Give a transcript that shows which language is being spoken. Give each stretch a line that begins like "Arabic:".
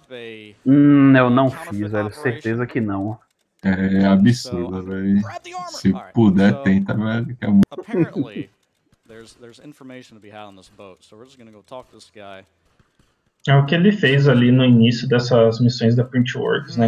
Portuguese: Eu não fiz, era certeza que não. É absurdo, velho. Se puder, tenta, velho, que é muito.
English: There's information to be had on this boat, so we're just gonna go talk to this guy.
Portuguese: É o que ele fez ali no início dessas missões da Printworks, né?